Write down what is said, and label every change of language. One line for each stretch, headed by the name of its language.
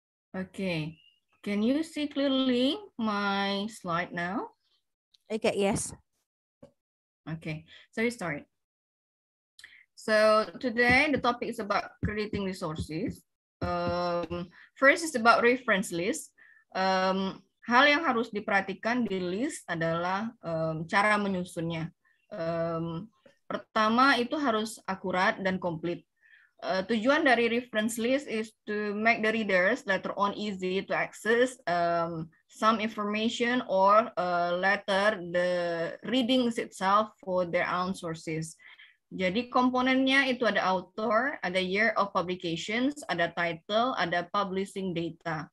English: Okay. Can you see clearly my slide now? Okay, yes. Okay, so we start. So today the topic is about creating resources. First is about reference list.
Indonesian: Hal yang harus diperhatikan di list adalah cara menyusunnya. Pertama itu harus akurat dan komplit. Tujuan dari
English: reference list is to make the readers later on easy to access some information or later the reading itself for their own sources.
Indonesian: Jadi komponennya itu ada author, ada year of publications, ada title, ada publishing data.